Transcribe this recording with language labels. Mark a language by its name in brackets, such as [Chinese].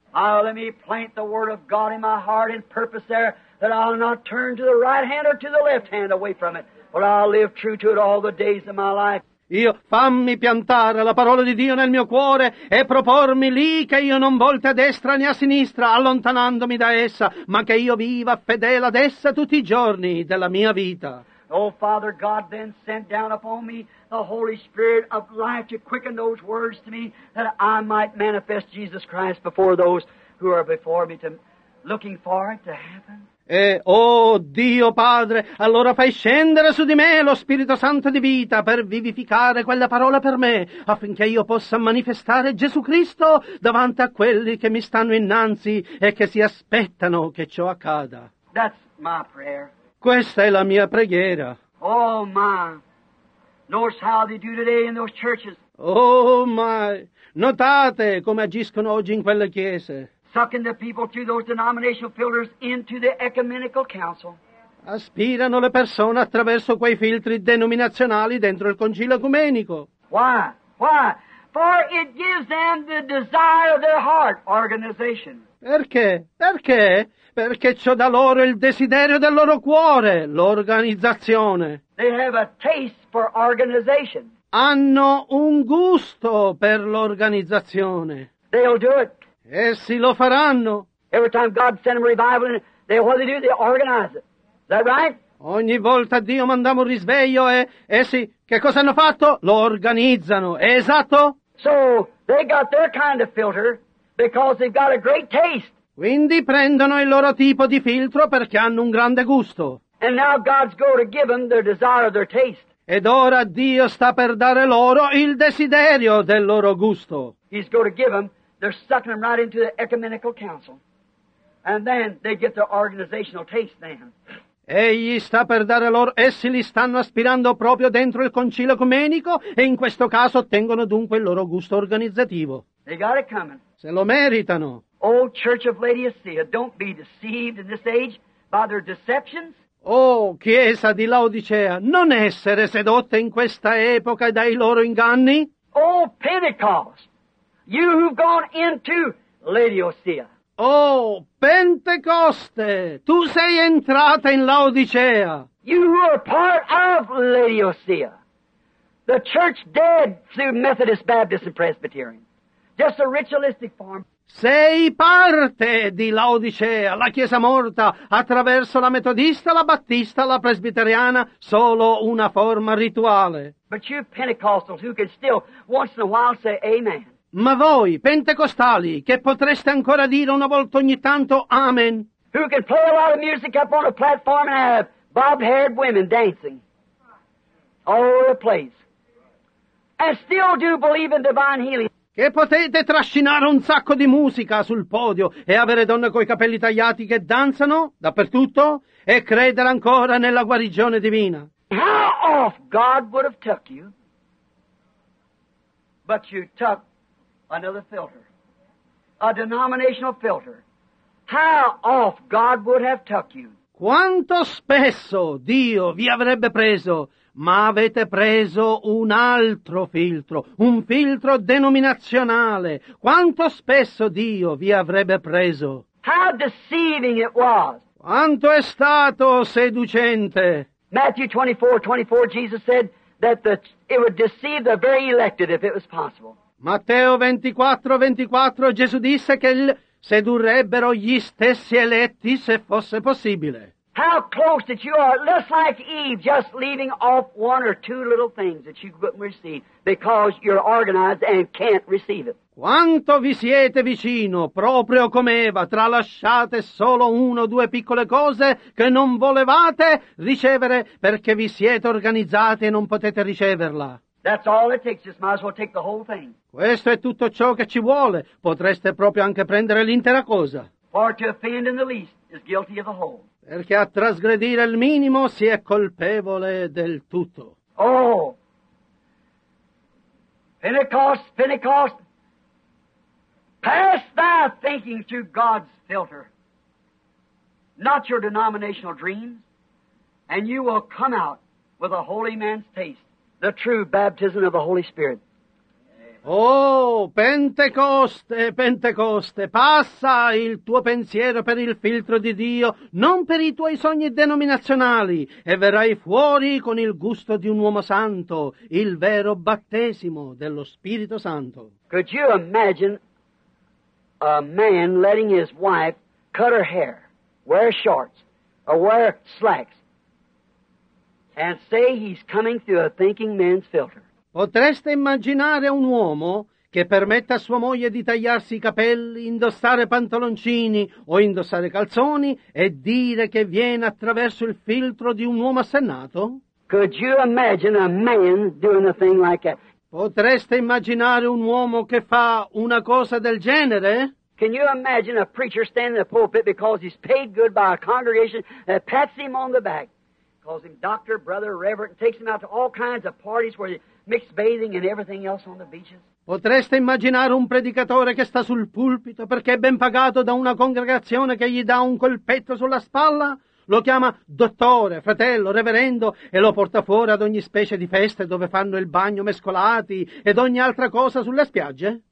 [English] Let me plant the word of God in my heart and purpose there, that I'll not turn to the right hand or to the left hand away from it, but I'll live true to it all the days of my life. [Italian] Io fammi piantare la parola di Dio nel mio cuore e propormi lì che io non volti a destra né a sinistra, allontanandomi da essa, ma che io viva fedele ad essa tutti i giorni della mia vita. [English] Oh, Father God, then sent down upon me the Holy Spirit of life to quicken those words to me, that I might manifest Jesus Christ before those who are before me, to looking for it to happen. [Italian] E, oh Dio Padre, allora fai scendere su di me lo Spirito Santo di vita per vivificare quella parola per me, affinché io possa manifestare Gesù Cristo davanti a quelli che mi stanno innanzi e che si aspettano che ciò accada. [English] That's my prayer. [Italian] Questa è la mia preghiera. [English] Oh my, notice how they do today in those churches. Oh my, [Italian] notate come agiscono oggi in quelle chiese. [English] Sucking the people through those denominational filters into the ecumenical council. [Italian] Aspirano le persone attraverso quei filtri denominazionali dentro il concilio ecumenico. [English] Why? Why? For it gives them the desire of their heart, organization. [Italian] Perché? Perché? Perché c'ho da loro il desiderio del loro cuore, l'organizzazione. [English] They have a taste for organization. [Italian] Hanno un gusto per l'organizzazione. [English] They'll do it. [Italian] Essi lo faranno. [English] Every time God sent them a revival, what they do, they organize it. Is that right? [Italian] Ogni volta Dio mandava un risveglio e essi, che cosa hanno fatto? Lo organizzano. Esatto? [English] So, they got their kind of filter because they've got a great taste. [Italian] Quindi prendono il loro tipo di filtro perché hanno un grande gusto. [English] And now God's going to give them their desire, their taste. [Italian] Ed ora Dio sta per dare loro il desiderio del loro gusto. [English] He's going to give them. They're sucking them right into the ecumenical council. And then they get their organizational taste then. [Italian] Egli sta per dare loro, essi li stanno aspirando proprio dentro il concilio ecumenico e in questo caso ottengono dunque il loro gusto organizzativo. [English] They got it coming. [Italian] Se lo meritano. [English] Oh, Church of Laodicea, don't be deceived in this age by their deceptions. [Italian] Oh, Chiesa di Laodicea, non essere sedotte in questa epoca dai loro inganni. [English] Oh, Pentecost. You who've gone into Laodicea. [Italian] Oh, Pentecoste, tu sei entrata in Laodicea. [English] You who are part of Laodicea. The church dead through Methodist, Baptist, and Presbyterian. Just a ritualistic form. [Italian] Sei parte di Laodicea, la chiesa morta, attraverso la metodista, la battista, la presbiteriana, solo una forma rituale. [English] But you Pentecostals who can still once in a while say amen. [Italian] Ma voi, pentecostali, che potreste ancora dire una volta ogni tanto amen? [English] Who can play a lot of music up on a platform and have bob-haired women dancing all over the place and still do believe in divine healing? [Italian] Che potete trascinare un sacco di musica sul podio e avere donne coi capelli tagliati che danzano dappertutto e credere ancora nella guarigione divina? [English] How off God would have took you, but you took another filter, a denominational filter. How off God would have took you. [Italian] Quanto spesso Dio vi avrebbe preso, ma avete preso un altro filtro, un filtro denominazionale. Quanto spesso Dio vi avrebbe preso. [English] How deceiving it was. [Italian] Quanto è stato seducente. [English] Matthew 24:24, Jesus said that it would deceive the very elected if it was possible. [Italian] Matteo 24:24, Gesù disse che sedurrebbero gli stessi eletti se fosse possibile. [English] How close that you are, just like Eve, just leaving off one or two little things that you couldn't receive because you're organized and can't receive it. [Italian] Quanto vi siete vicino, proprio come Eva, tralasciate solo uno o due piccole cose che non volevate ricevere perché vi siete organizzati e non potete riceverla. [English] That's all it takes. Just might as well take the whole thing. [Italian] Questo è tutto ciò che ci vuole. Potreste proprio anche prendere l'intera cosa. [English] For to offend in the least is guilty of the whole. [Italian] Perché a trasgredire il minimo si è colpevole del tutto. [English] Oh! Pentecost, Pentecost! Pass thy thinking through God's filter. Not your denominational dreams. And you will come out with a holy man's taste. The true baptism of the Holy Spirit. [Italian] Oh, Pentecoste, Pentecoste, passa il tuo pensiero per il filtro di Dio, non per i tuoi sogni denominazionali, e verrai fuori con il gusto di un uomo santo, il vero battesimo dello Spirito Santo. [English] Could you imagine a man letting his wife cut her hair, wear shorts, or wear slacks, and say he's coming through a thinking man's filter? [Italian] Potreste immaginare un uomo che permetta a sua moglie di tagliarsi i capelli, indossare pantaloncini o indossare calzoni e dire che viene attraverso il filtro di un uomo assennato? [English] Could you imagine a man doing a thing like that? [Italian] Potreste immaginare un uomo che fa una cosa del genere? [English] Can you imagine a preacher standing in the pulpit because he's paid good by a congregation that pats him on the back, calls him doctor, brother, reverend, takes him out to all kinds of parties where mixed bathing and everything else on the beaches? [Italian] Potreste immaginare un predicatore che sta sul pulpito perché è ben pagato da una congregazione che gli dà un colpetto sulla spalla? Lo chiama dottore, fratello, reverendo e lo porta fuori ad ogni specie di feste dove fanno il bagno mescolati ed ogni altra cosa sulle spiagge?